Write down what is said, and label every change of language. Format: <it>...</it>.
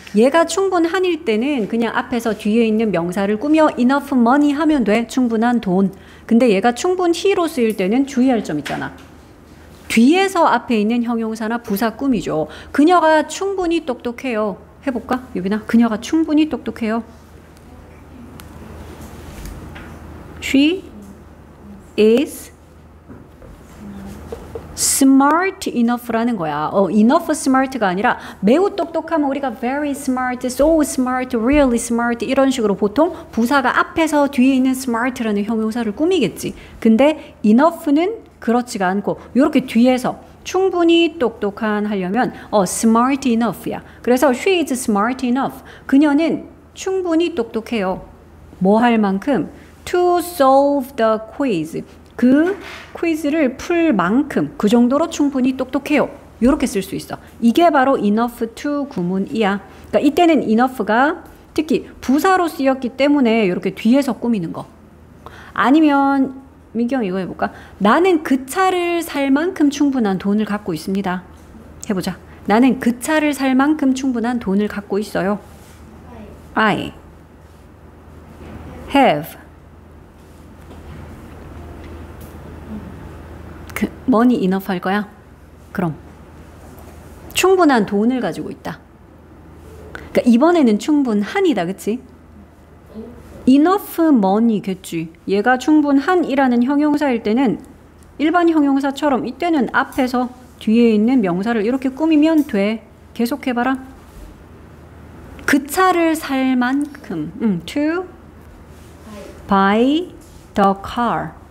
<ko>얘가 충분한일 때는 그냥 앞에서 뒤에 있는 명사를 꾸며 enough money 하면 돼. 충분한 돈. 근데 얘가 충분히로 쓰일 때는 주의할 점 있잖아. 뒤에서 앞에 있는 형용사나 부사 꾸미죠. 그녀가 충분히 똑똑해요. 해볼까? 유빈아. 그녀가 충분히 똑똑해요.</ko> <en>She is smart enough 라는 거야.</en> <ko>enough smart가 아니라 매우 똑똑하면 우리가 very smart, so smart, really smart 이런 식으로 보통 부사가 앞에서 뒤에 있는 smart라는 형용사를 꾸미겠지. 근데 enough는 그렇지가 않고 이렇게 뒤에서 충분히 똑똑한 하려면 smart enough 야.</ko> <en>그래서 she is smart enough.</en> <ko>그녀는 충분히 똑똑해요.</ko> <en>뭐 할 만큼? To solve the quiz.</en> <ko>그 퀴즈를 풀 만큼 그 정도로 충분히 똑똑해요. 이렇게 쓸 수 있어. 이게 바로 enough to 구문이야. 그러니까 이때는 enough가 특히 부사로 쓰였기 때문에 이렇게 뒤에서 꾸미는 거. 아니면 민경 이거 해볼까? 나는 그 차를 살 만큼 충분한 돈을 갖고 있습니다. 해보자. 나는 그 차를 살 만큼 충분한 돈을 갖고 있어요.</ko> <en>I have money enough 할 거야?</en> <ko>그럼 충분한 돈을 가지고 있다. 그러니까 이번에는 충분한이다, 그치? enough money 겠지. 얘가 충분한이라는 형용사일 때는 일반 형용사처럼 이때는 앞에서 뒤에 있는 명사를 이렇게 꾸미면 돼. 계속해봐라. 그 차를 살 만큼 to buy the car.</ko>